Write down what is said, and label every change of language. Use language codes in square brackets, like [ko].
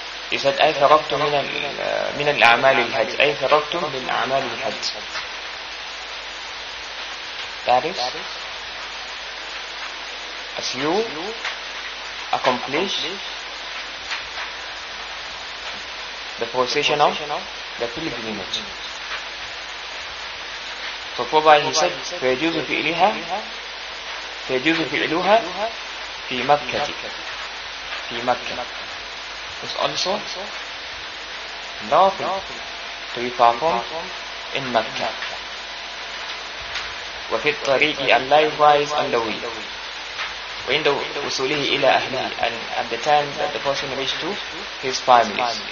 [en] He said, [ar] أي فرقتم من الأعمال الحج, أي فرقتم من أعمال الحج, [en] that is as you accomplish the procession of the pilgrimage. So probably he said, [ar] فيجوز فعلها, فيجوز فعلها في مكة, في مكة. [en] It's also lawful to be performed in مكة. [ar] وفي الطريق [en] and likewise on the way. [ar] وعند وصوله إلى أهله, [en] and at the time that the person reached to his family.